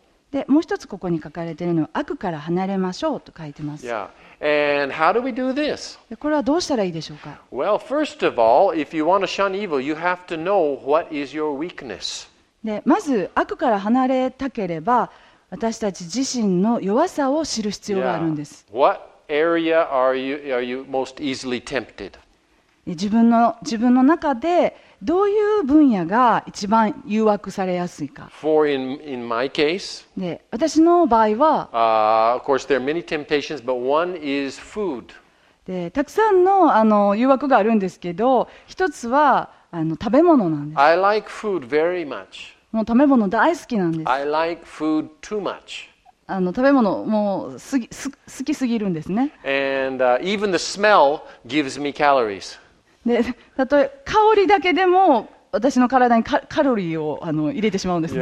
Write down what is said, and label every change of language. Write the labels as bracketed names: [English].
[Japanese] でもう一つここに書かれているのは悪から離れましょうと書いてます。 [English] Yeah. And how do we do this? [Japanese] これはどうしたらいいでしょうか。 [English] Well, first of all, if you want to shun evil, you have to know what is your weakness. [Japanese] でまず悪から離れたければ私たち自身の弱さを知る必要があるんです。 [English] Yeah. What? Area are you most easily tempted? [Japanese] 自分の中でどういう分野が一番誘惑されやすいか。 [English] For in my case, [Japanese] で私の場合は、 [English] of course there are many temptations, but one is food. [Japanese] でたくさん の誘惑があるんですけど、一つは食べ物なんです。 [English] I like food very much. [Japanese] もう食べ物大好きなんです。 [English] I like food too much. [Japanese] 食べ物もう好きすぎるんですね。 [English] And, even the smell gives me calories. [Japanese] で、例え香りだけでも私の体にカロリーを入れてしまうんですね。